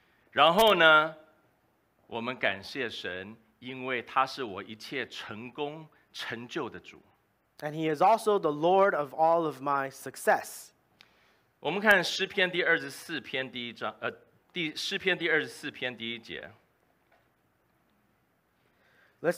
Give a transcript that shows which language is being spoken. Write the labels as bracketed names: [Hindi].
[Chinese] 然后呢，我们感谢神，因为他是我一切成功成就的主。 [English] And he is also the Lord of all of my success. [Chinese] 我们看诗篇第二十四篇第一章，诗篇第二十四篇第一节。 [English] Let's